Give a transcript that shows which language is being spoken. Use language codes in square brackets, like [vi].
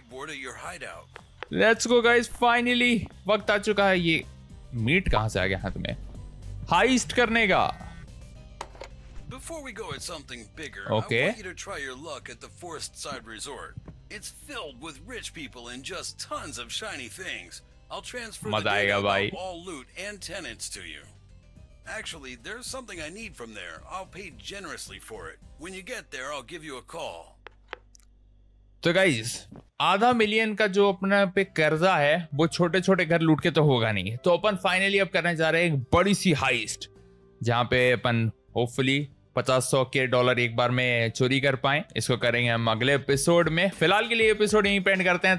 [en] Let's go guys, finally [hi] वक्त आ चुका है। ये मीट कहां से आ गया हाथ में? हाइस्ट करने का। [en] Before we go at something bigger, okay. I want you to try your luck at the Forest Side Resort. It's filled with rich people and just tons of shiny things. I'll transfer the data of all loot and tenants to you. Actually, there's something I need from there. I'll pay generously for it. When you get there, I'll give you a call. [hi] तो guys आधा million का जो अपने पे कर्जा है वो छोटे छोटे घर लूट के तो होगा नहीं, तो अपन फाइनली अब करने जा रहे हैं एक बड़ी सी हाइस्ट, जहां पे अपन होपफुली 50,000 के डॉलर एक बार में चोरी कर पाए। इसको करेंगे हम अगले एपिसोड में, फिलहाल के लिए एपिसोड यहीं पे एंड करते हैं।